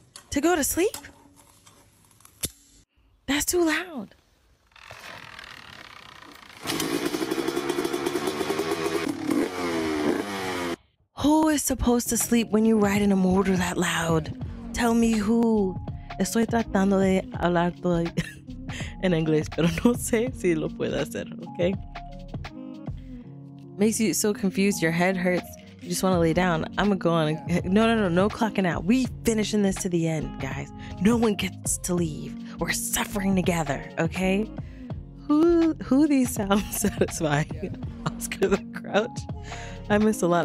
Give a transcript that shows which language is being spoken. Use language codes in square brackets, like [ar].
[en] To go to sleep? That's too loud. Who is supposed to sleep when you ride in a motor that loud? Tell me who. [es] Estoy tratando de hablar en inglés, pero no sé si lo puedo hacer, okay? [en] Makes you so confused, your head hurts, you just want to lay down. I'm going to go on. No clocking out. We finishing this to the end, guys. No one gets to leave. We're suffering together, okay? Who these sounds satisfy? Yeah. Oscar the Grouch? I missed a lot.